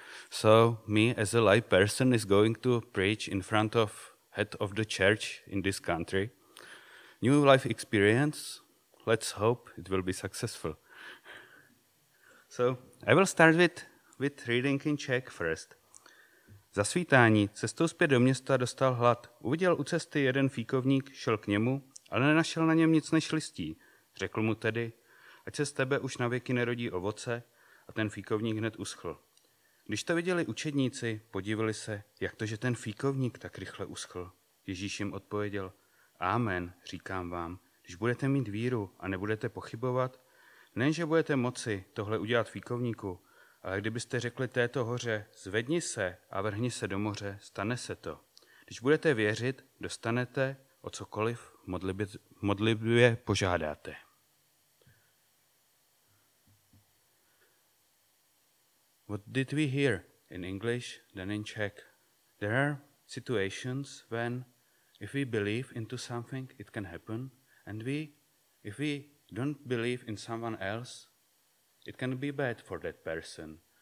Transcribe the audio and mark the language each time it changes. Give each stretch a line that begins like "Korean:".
English: So me as a live person is going to preach in front of head of the church in this country. New life experience, let's hope it will be successful. So I will start with reading in Czech first.
Czech: Za svítání cestou zpět do města dostal hlad. Uviděl u cesty jeden fíkovník, šel k němu, ale nenašel na něm nic než listí. Řekl mu tedy, ať se z tebe už navěky nerodí ovoce, a ten fíkovník hned uschl. Když to viděli učedníci, podívali se, jak to, že ten fíkovník tak rychle uschl. Ježíš jim odpověděl, amen, říkám vám, když budete mít víru a nebudete pochybovat, nejenže budete moci tohle udělat fíkovníku, ale kdybyste řekli této hoře, zvedni se a vrhni se do moře, stane se to. Když budete věřit, dostanete o cokoliv modlitbě požádáte.
English: What did we hear in English, then in Czech? There are situations when if we believe into something, it can happen. And we, if we don't believe in someone else, it can be bad for that person.